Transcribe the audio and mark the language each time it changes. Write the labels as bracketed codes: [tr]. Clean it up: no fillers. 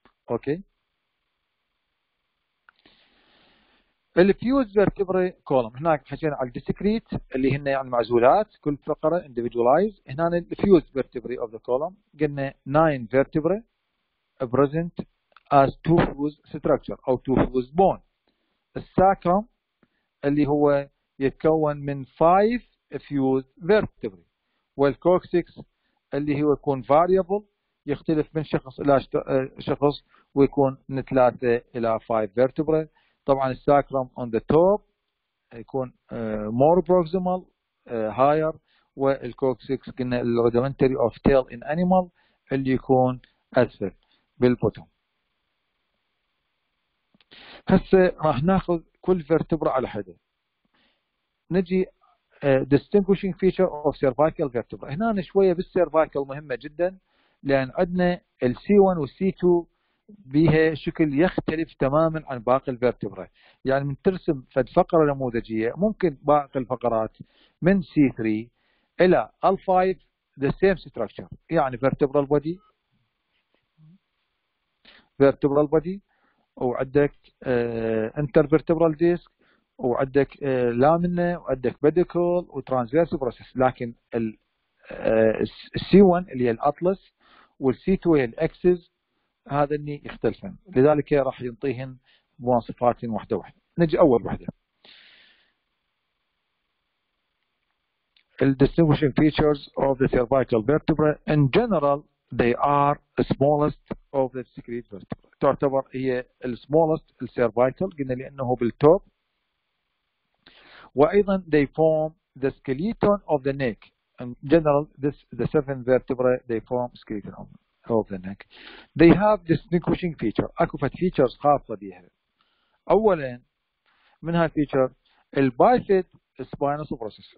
[ar] اوكي الفيوز [en] vertebrae column [ar] هناك حكينا على الديسكريت اللي هن يعني معزولات كل فقره individualized. هنا الفيوز [en] vertebrae of the column [ar] قلنا [en] 9 vertebrae present as two fused structure او two fused bone. [ar] الساكرم اللي هو يتكون من 5 fused vertebrae والكوكسكس اللي هو يكون variable يختلف من شخص الى شخص ويكون من 3 الى 5 vertebrae. طبعا الساكرم on the top يكون more proximal higher والكوكسيكس قلنا rudimentary of tail in animal اللي يكون أسفل بالبوتوم. هسه راح ناخذ كل فيرتبرا على حدة. نجي distinguishing feature of cervical vertebra. هنا شوية بالcervical مهمة جدا لأن عندنا ال C1 وال C2 بها شكل يختلف تماما عن باقي الفيرتبرا. يعني من ترسم فد فقره نموذجيه ممكن باقي الفقرات من C3 الى L5 [en] the same structure. [ar] يعني [en] vertebral body vertebral body وعندك intervertebral disc وعندك lamina وعندك pedicle وtransverse process. [ar] لكن ال C1 اللي هي الاطلس والC2 هي الاكسس هذا اني يختلفن، لذلك راح ينطيهن مواصفات واحده واحده. نجي اول واحده ال [en] distinguishing features of the cervical vertebra in general they are smallest of the discrete vertebra. [ar] تعتبر هي ال [en] smallest ال cervical [ar] قلنا لانه بالتوب وايضا [en] they form the skeleton of the neck. In general this the seven vertebra they form skeleton of of the neck. They have distinguishing feature. [ar] أكو [en] features [ar] خاصة بيها. أولا من هاي feature البايفيد سباينوس بروسس.